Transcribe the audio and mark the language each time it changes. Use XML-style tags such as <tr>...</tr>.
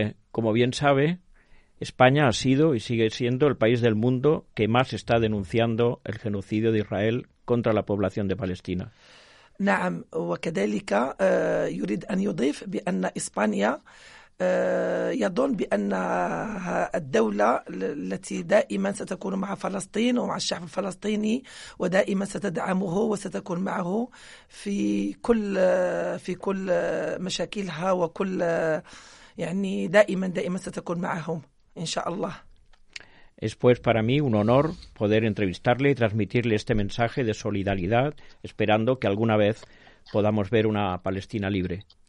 <es>Como bien sabe, España ha sido y sigue siendo el país del mundo que más está denunciando el genocidio de Israel contra la población de Palestina.</es> <ar>نعم وكذلك يريد أن يضيف بأن إسبانيا يظن بأنها الدولة التي دائما ستكون مع فلسطين ومع الشعب الفلسطيني ودائما ستدعمه وستكون معه في كل مشاكلها وكل يعني دائما ستكون معهم إن شاء الله.</ar> <es>Es pues para mí un honor poder entrevistarle y transmitirle este mensaje de solidaridad, esperando que alguna vez podamos ver una Palestina libre.</es>